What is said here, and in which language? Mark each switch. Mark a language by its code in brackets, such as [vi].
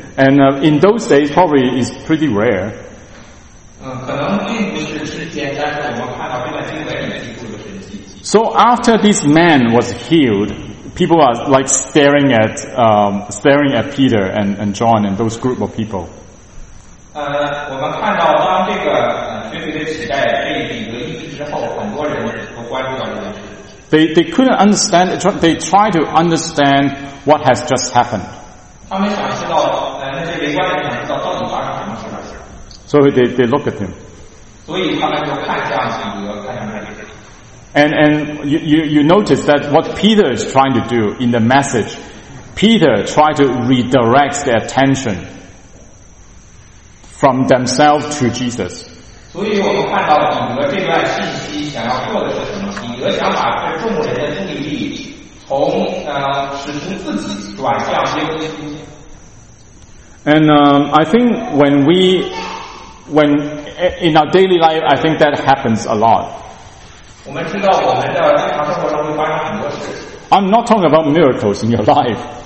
[en] And in those days, probably is pretty rare. [zh] 可能并不是事件，但是我们看到这段经文里面记录的神迹。 [en] So after this man was healed, people are like staring at Peter and John and those group of people. [zh] 我们看到当这个瘸腿的乞丐被医治之后，很多人都关注到这件事。 [en] They couldn't understand. They try to understand what has just happened. [zh] 他们想知道，那些围观的人想知道到底发生什么事了。所以 [en] they look at him. [zh] 所以他们就看向彼得，看向那里。 [en] And you notice that what Peter is trying to do in the message, Peter tried to redirect their attention from themselves to Jesus. [zh] 所以我们看到彼得这段信息想要做的是什么？彼得想把这众人的注意力。 [en] And I think when in our daily life, I think that happens a lot. I'm not talking about miracles in your life.